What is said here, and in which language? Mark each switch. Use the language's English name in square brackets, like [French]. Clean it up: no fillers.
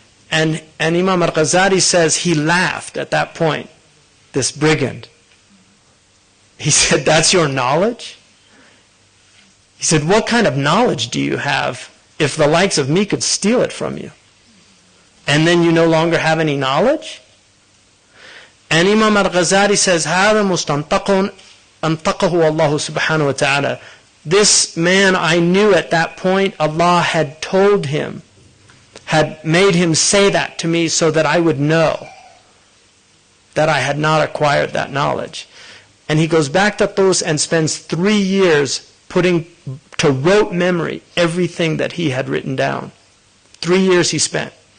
[English] And Imam al-Ghazali says he laughed at that point, this brigand. He said, that's your knowledge? He said, what kind of knowledge do you have if the likes of me could steal it from you? And then you no longer have any knowledge? And Imam al-Ghazali says, [Arabic] هذا مستنطقون أنطقه الله سبحانه وتعالى. [English] This man I knew at that point, Allah had told him, had made him say that to me so that I would know that I had not acquired that knowledge. And he goes back to Tuz and spends 3 years putting to rote memory everything that he had written down. 3 years he spent.